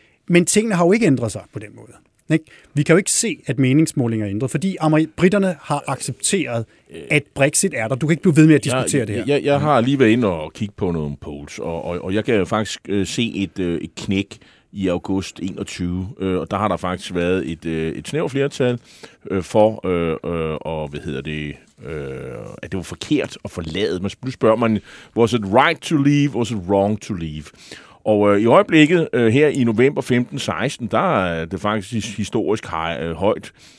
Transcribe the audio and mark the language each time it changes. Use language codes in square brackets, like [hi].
[da] Men tingene har jo ikke ændret sig på den måde. Ikke? Vi kan jo ikke se, at meningsmålinger er ændret, fordi britterne har accepteret, at Brexit er der. Du kan ikke blive ved med at diskutere det her. Jeg har lige været inde og kigge på nogle polls, og jeg kan faktisk se et knæk i august 21, og der har der faktisk været et snævert flertal for, og hvad hedder det, at det var forkert at forlade. Nu spørger man, [en] was it right to leave, was it wrong to leave? [da] Og i øjeblikket her i november 15-16, der er det faktisk historisk højt.